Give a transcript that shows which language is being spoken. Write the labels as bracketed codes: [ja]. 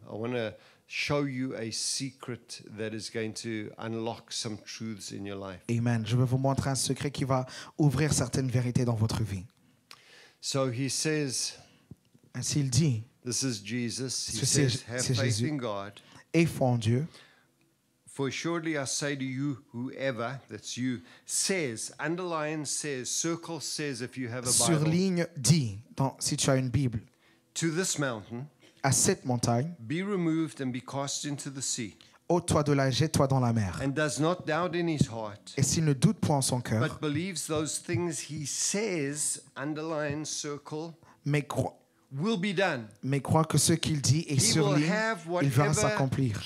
[en] I want to show you a secret that is going to unlock some truths in your life. Amen. [fr] Je vais vous montrer un secret qui va ouvrir certaines vérités dans votre vie. [en] So he says. [fr] Ainsi il dit. [en] This is Jesus. He says, have faith [fr] Jésus. [en] In God. [fr] Aie foi en Dieu. [en] For surely I say to you, whoever, that's you, says, underline says, circle says, if you have a Bible. [fr] Surligne dit, si tu as une Bible. [en] To this mountain. [fr] À cette montagne, [en] be removed and be cast into the sea. [fr] Ôte-toi de là, jette-toi dans la mer. [en] And does not doubt in his heart. [fr] Et s'il ne doute point en son cœur, [en] but believes those things he says, underline, circle, will be done. [fr] Mais croit que ce qu'il dit est surligné, il verra s'accomplir.